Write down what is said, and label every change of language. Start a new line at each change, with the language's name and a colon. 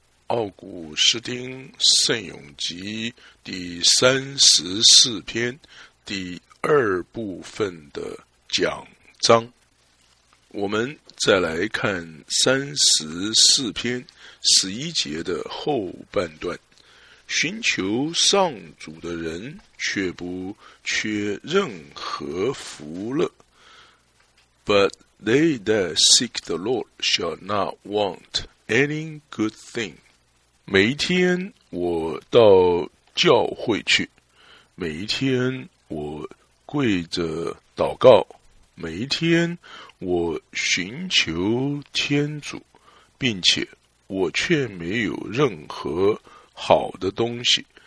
Chinese: 奥古斯丁聖咏集第34篇第二部分的讲章。我们再来看34篇11节的后半段，寻求上主的人却不缺任何福乐。
English: But they that seek the Lord shall not want any good thing。
Chinese: 每一天我到教会去，每一天我跪着祷告，每一天我寻求天主，并且我却没有任何好的东西。